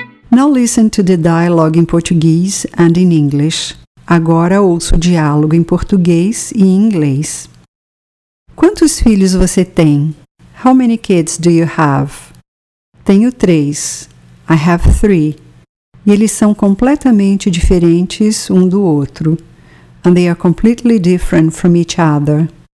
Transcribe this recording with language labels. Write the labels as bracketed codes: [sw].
[en] Now listen to the dialogue in Portuguese and in English. [pt] Agora ouça o diálogo em português e em inglês. Quantos filhos você tem? [en] How many kids do you have? [pt] Tenho três. [en] I have three. [pt] E eles são completamente diferentes um do outro. [en] And they are completely different from each other.